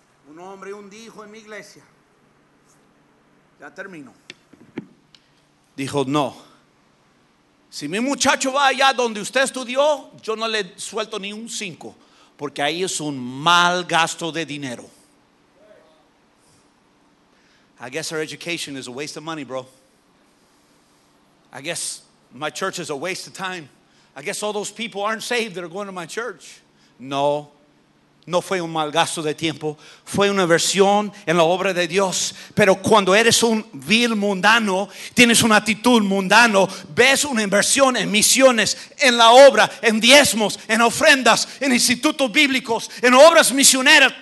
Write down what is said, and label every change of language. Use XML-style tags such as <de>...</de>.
<es>Un hombre un dijo en mi iglesia, ya termino, dijo: no, si mi muchacho va allá donde usted estudió, yo no le suelto ni un 5, porque ahí es un mal gasto de dinero.</es> <en>I guess our education is a waste of money, bro. I guess my church is a waste of time. I guess all those people aren't saved that are going to my church.</en> <es>No, no fue un mal gasto de tiempo. Fue una inversión en la obra de Dios. Pero cuando eres un vil mundano, tienes una actitud mundano, ves una inversión en misiones, en la obra, en diezmos, en ofrendas, en institutos bíblicos, en obras misioneras.</es>